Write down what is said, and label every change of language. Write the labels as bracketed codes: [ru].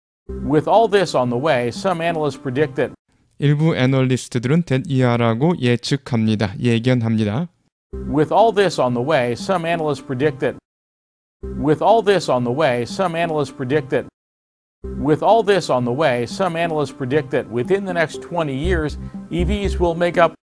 [en] With all this on the way, some analysts predict that [ko] 일부 애널리스트들은 that 이하라고 예측합니다. 예견합니다. [en] With all this on the way, some analysts predict that With all this on the way, some analysts predict that With all this on the way, some analysts predict that within the next 20 years, EVs will make up